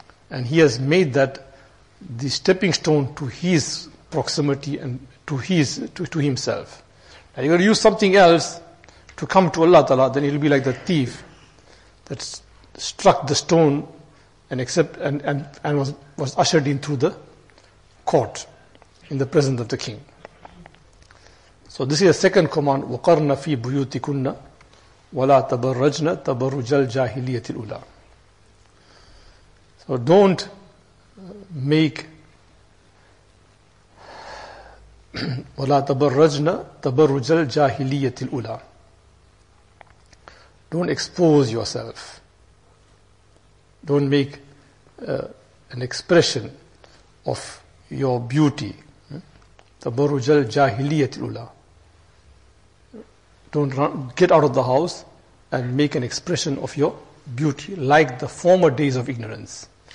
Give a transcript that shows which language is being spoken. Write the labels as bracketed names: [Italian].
[English] And he has made that the stepping stone to his proximity and to himself. Now you're going to use something else to come to Allah Ta'ala, then it'll be like the thief that struck the stone and was ushered in through the court in the presence of the king. So this is the second command, [Arabic] وَقَرْنَ فِي بُيُوتِكُنَّ وَلَا تَبَرَّجْنَ تَبَرُّجَ الْجَاهِلِيَةِ الْأُولَى. [English] So don't make [Arabic] وَلَا تَبَرَّجْنَ تَبَرُّجَ الْجَاهِلِيَةِ الْأُولَى. [English] Don't expose yourself. Don't make an expression of your beauty. [Arabic] تَبَرُّجَ الْجَاهِلِيَةِ الْأُولَى. [English] Don't run, get out of the house and make an expression of your beauty like the former days of ignorance.